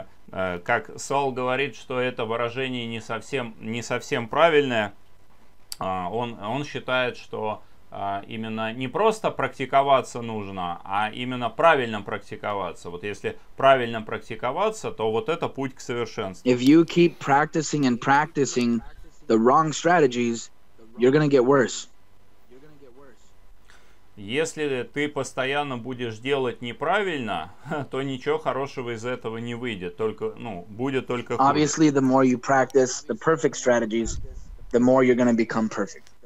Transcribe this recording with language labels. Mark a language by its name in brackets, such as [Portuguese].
[Russian] Как Сол говорит, что это выражение не совсем правильное. Он считает, что именно не просто практиковаться нужно, а именно правильно практиковаться. Вот если правильно практиковаться, то вот это путь к совершенству. [English] If you keep practicing and practicing the wrong strategies, you're gonna get worse. [Russian] Если ты постоянно будешь делать неправильно, то ничего хорошего из этого не выйдет. Будет только хуже. [English] Obviously, the more you practice the perfect strategies, the more you're gonna become perfect.